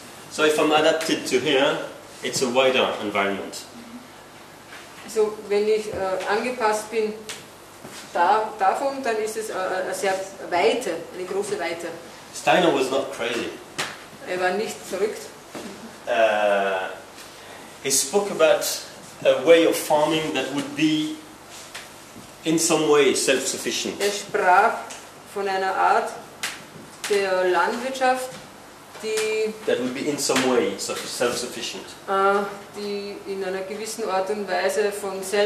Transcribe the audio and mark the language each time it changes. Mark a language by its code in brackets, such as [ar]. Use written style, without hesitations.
[en] So if I'm adapted to here, it's a wider environment. [de] So wenn ich angepasst bin davon, dann ist es eine sehr weite, eine große Weite. [en] Steiner was not crazy. [de] Er war nicht verrückt. [en] He spoke about a way of farming that would be in some way self-sufficient. [de] Er sprach von einer Art der Landwirtschaft, die [en] that would be in some way self-sufficient. [de] Die in einer gewissen Art und Weise von